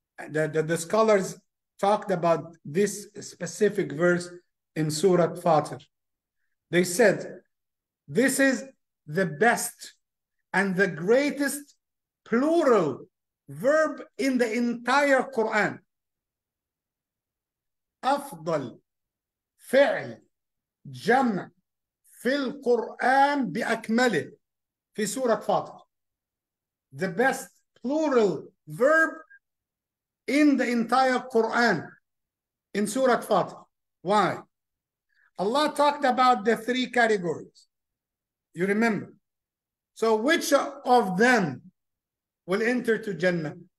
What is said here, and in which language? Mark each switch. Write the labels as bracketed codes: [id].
[en] The scholars talked about this specific verse in Surah Fatir. They said, this is the best and the greatest plural verb in the entire Quran. [ar] أفضل فعل جمع في القرآن بأكمله في سورة فاطر. [en] The best plural verb in the entire Quran in Surah Fatir. Why? Allah talked about the three categories. You remember? So which of them will enter to Jannah?